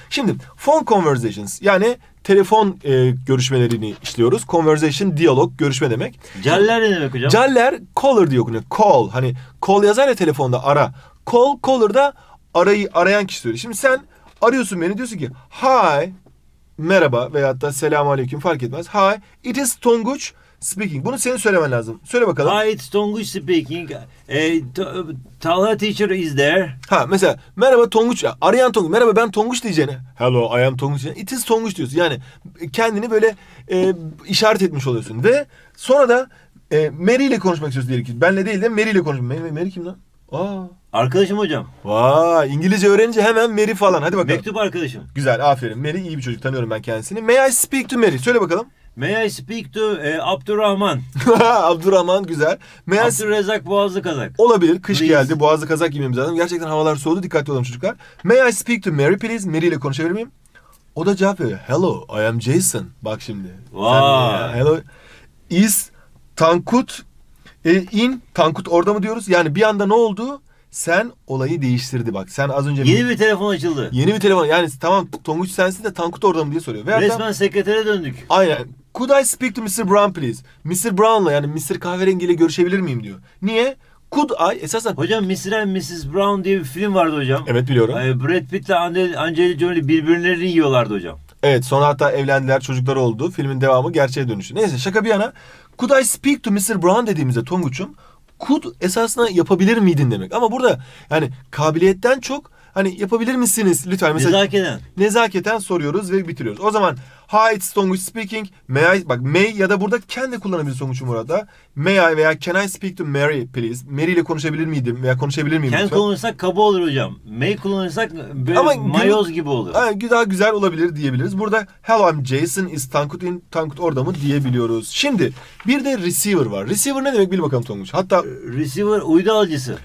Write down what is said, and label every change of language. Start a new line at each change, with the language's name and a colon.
Turkish: Şimdi phone conversations yani telefon görüşmelerini işliyoruz. Conversation, diyalog, görüşme demek. Caller ne demek hocam? Caller caller diyor. Call hani call yazar ya telefonda ara. Call caller da arayan kişi söylüyor. Şimdi sen arıyorsun beni diyorsun ki hi merhaba veyahut da selamun aleyküm fark etmez.
English: Hi it is Tonguç speaking.
Turkish: Bunu senin söylemen lazım. Söyle bakalım.
English: Hi, it's Tonguç speaking. Talha teacher is there.
Turkish: Ha mesela merhaba Tonguç. Arayan Tonguç. Merhaba ben Tonguç diyeceğine.
English: Hello I am Tonguç. It is Tonguç
Turkish: diyorsun. Yani kendini böyle işaret etmiş oluyorsun. Ve sonra da Mary ile konuşmak istiyorsun diyelim ki. Benle değil de Mary ile konuşmak. Mary kim lan? Arkadaşım hocam. Vay, İngilizce öğrenince hemen Mary falan. Hadi bakalım. Mektup arkadaşım. Güzel, aferin. Mary iyi bir çocuk. Tanıyorum ben kendisini.
English: May I speak to Mary?
Turkish: Söyle bakalım.
English: May I speak to Abdurrahman.
Turkish: Abdurrahman güzel. May Abdurrezzak Boğazlı Kazak. Olabilir. Kış please. Geldi. Boğazlı Kazak giymemiz lazım. Gerçekten havalar soğudu. Dikkatli olalım çocuklar.
English: May I speak to Mary please?
Turkish: Mary ile konuşabilir miyim? O da cevap veriyor.
English: Hello, I am Jason.
Turkish: Bak şimdi. Vay.
English: Hello. Is Tankut in
Turkish: Tankut orada mı diyoruz? Yani bir anda ne oldu? Sen olayı değiştirdi bak. Sen az önce yeni bir telefon açıldı. Yeni bir telefon. Yani tamam Tonguç sensin de Tankut orada mı diye soruyor. Ve resmen adam, sekretere döndük.
English: Aynen. Could I speak to Mr. Brown please? Mr. Brown'la yani Mr.
Turkish: Kahverengi ile görüşebilir miyim diyor. Niye? Could I? Esasen hocam Mr. and Mrs. Brown diye bir film vardı hocam. Evet biliyorum. Brad Pitt ile Angelina Jolie birbirlerini yiyorlardı hocam. Evet sonra hatta evlendiler çocukları oldu. Filmin devamı gerçeğe dönüştü. Neyse şaka bir yana.
English: Could I speak to Mr. Brown
Turkish: dediğimizde Tonguç'um. Could esasına yapabilir miydin demek. Ama burada yani kabiliyetten çok hani yapabilir misiniz lütfen. Mesela, nezaketen. Nezaketen soruyoruz ve bitiriyoruz. O zaman
English: hi it's Tonguç speaking.
Turkish: May I, bak may ya da burada can de kullanabilirsin Tonguç'um burada.
English: May I veya can I speak to Mary please.
Turkish: Mary ile konuşabilir miydim veya konuşabilir miyim
English: can
Turkish: lütfen. Can kullanırsak kaba olur hocam. May kullanırsak böyle ama mayoz gibi olur. Ama daha güzel olabilir diyebiliriz. Burada
English: hello I'm Jason is Tankut in
Turkish: Tankut orada mı diyebiliyoruz. Şimdi bir de receiver var. Receiver ne demek bil bakalım Tonguç. Hatta receiver uydu alıcısı.